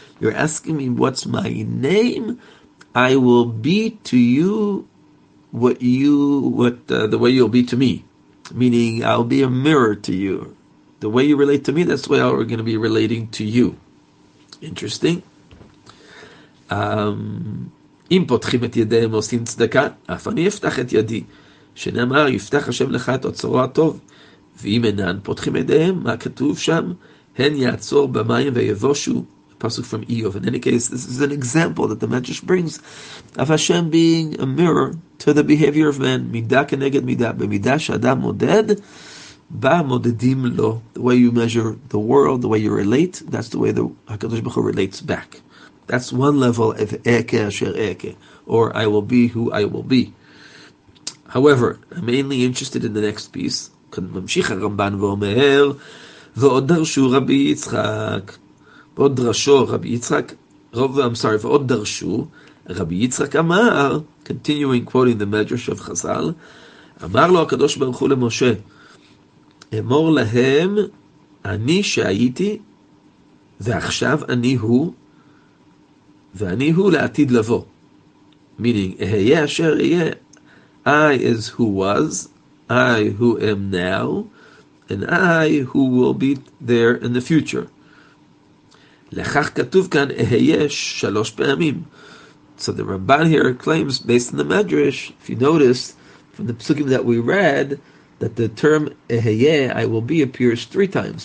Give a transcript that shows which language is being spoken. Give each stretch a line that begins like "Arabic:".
English: You're asking me, what's my name? I will be to you the way you'll be to me. Meaning, I'll be a mirror to you. The way you relate to me, that's the way we're going to be relating to you. Interesting.
Hebrew: אם פותחים את ידיהם ועושים צדקה, אף אני אפתח את ידי, שנאמר, יפתח השם לך את אוצרו הטוב, ואם אינן פותחים ידיהם, מה כתוב שם? הן יעצור במים ויבושו, פסוק
English: from Eov. In any case, this is an example that the Medrash brings of Hashem being a mirror to the behavior of man,
Hebrew: מידה כנגד מידה, במידה שאדם מודד, בה מודדים לו.
English: The way you measure the world, the way you relate, that's the way the HaKadosh Baruch Hu relates back. That's one level of
Hebrew: Eke Asher Eke,
English: or I will be who I will be. However, I'm mainly interested in the next piece.
Hebrew: ממשיך הרמב"ן ואומר, ועוד דרשו רבי יצחק, ועוד דרשו רבי יצחק,
English: I'm sorry,
Hebrew: ועוד דרשו, רבי יצחק אמר,
English: continuing quoting the Medrash of Chazal,
Hebrew: אמר לו הקדוש ברוך הוא למשה, אמור להם, אני שהייתי, ועכשיו אני הוא, ואני הוא לעתיד לבוא.
English: Meaning,
Hebrew: אהיה אשר אהיה,
English: I is who was, I who am now, and I who will be there in the future.
Hebrew: לכך כתוב כאן, אהיה שלוש פעמים.
English: So the Ramban here claims, based on the Medrash, if you notice, from the psukim that we read, that the term אהיה, I will be, appears three times.